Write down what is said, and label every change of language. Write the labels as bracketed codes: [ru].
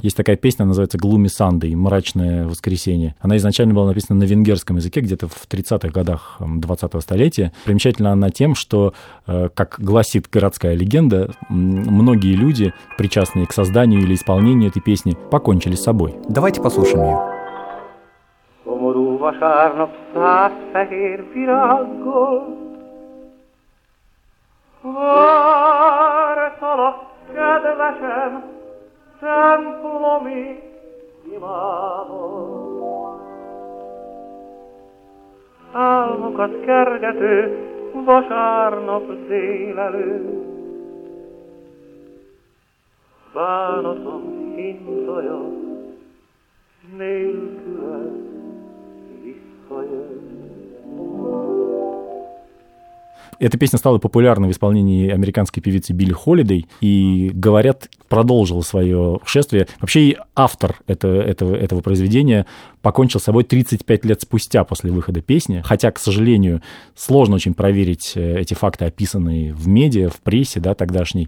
[ru] Есть такая песня, называется «Gloomy Sunday», «Мрачное воскресенье». Она изначально была написана на венгерском языке где-то в 30-х годах 20-го столетия. Примечательна она тем, что, как гласит городская легенда, многие люди, причастные к созданию или исполнению этой песни, покончили с собой. Давайте послушаем ее. [hu] Vasárnap száz-fehér virággal vártalak, kedvesem, templomi imával. Álmokat kergető vasárnap délelőtt bánatom hintaja nélkül. [ru] Эта песня стала популярна в исполнении американской певицы Билли Холлидей и, говорят, продолжила свое шествие. Вообще, и автор этого произведения покончил с собой 35 лет спустя после выхода песни, хотя, к сожалению, сложно очень проверить эти факты, описанные в медиа, в прессе, да, тогдашней.